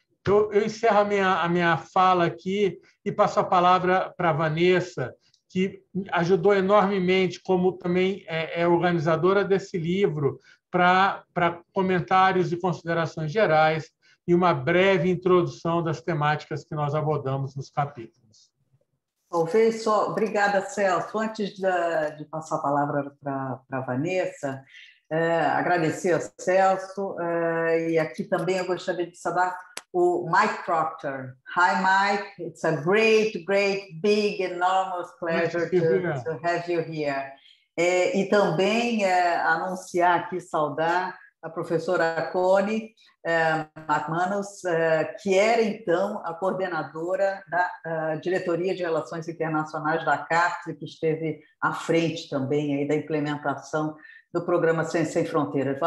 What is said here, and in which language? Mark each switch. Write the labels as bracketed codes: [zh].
[pt] Eu encerro a minha fala aqui e passo a palavra para a Vanessa, que ajudou enormemente, como também é organizadora desse livro, para comentários e considerações gerais e uma breve introdução das temáticas que nós abordamos nos capítulos. Talvez só... Obrigada, Celso. Antes de passar a palavra para a Vanessa, agradecer ao Celso. E aqui também eu gostaria de saudar o Mike Proctor. [en] Hi, Mike. It's a great, great, big, enormous pleasure to have you here. [pt] E também anunciar aqui, saudar a professora Connie McManus, que era então a coordenadora da Diretoria de Relações Internacionais da CAPES, que esteve à frente também aí da implementação do programa Ciência Sem Fronteiras.